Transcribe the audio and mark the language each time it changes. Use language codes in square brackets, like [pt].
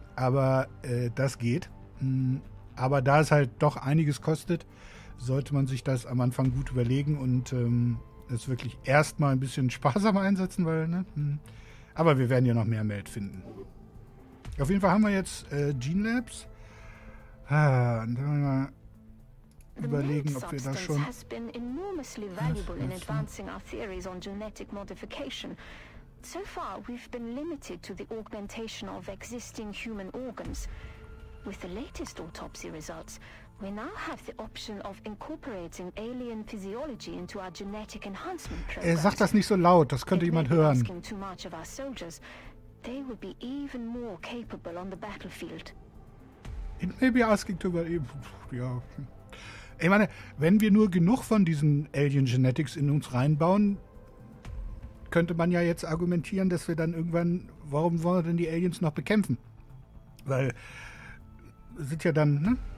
[de] Das geht. Aber da es halt doch einiges kostet, sollte man sich das am Anfang gut überlegen und es wirklich erstmal ein bisschen sparsamer einsetzen, weil, ne? Aber wir werden ja noch mehr Meld finden. Auf jeden Fall haben wir jetzt Gene Labs. Und dann mal überlegen, ob wir das schon. [en] Has been enormously valuable in advancing our theories on genetic modification. So far, we've been limited to the augmentation of existing human organs. With the latest autopsy results, we now have the option of incorporating alien physiology into our genetic enhancement program. [de] Er sagt das nicht so laut, das könnte jemand hören. [en] Asking too much of our soldiers, they would be even more capable on the battlefield. It may be asking too much. Ja. [de] Ich meine, wenn wir nur genug von diesen Alien Genetics in uns reinbauen, könnte man ja jetzt argumentieren, dass wir dann irgendwann, warum wollen wir denn die Aliens noch bekämpfen? Weil sind ja dann, ne?